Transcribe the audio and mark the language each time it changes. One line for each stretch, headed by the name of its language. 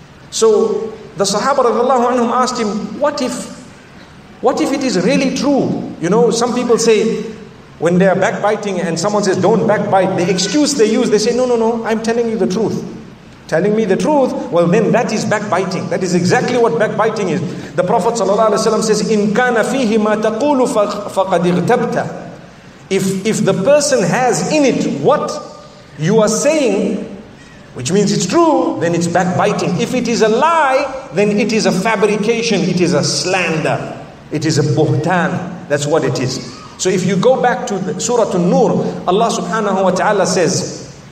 English: So the Sahaba radiallahu anhum asked him, what if it is really true? You know, some people say, When they are backbiting and someone says, don't backbite, the excuse they use, they say, no, I'm telling you the truth. Telling me the truth, well then that is backbiting. That is exactly what backbiting is. The Prophet ﷺ says,
Arabic: إِن كَانَ فِيهِ مَا تَقُولُ فَقَدْ اِغْتَبْتَ.
English: If the person has in it what you are saying, which means it's true, then it's backbiting. If it is a lie, then it is a fabrication, it is a slander. It is a buhtan. That's what it is. So if you go back to the Surah An-Nur, Allah subhanahu wa ta'ala says,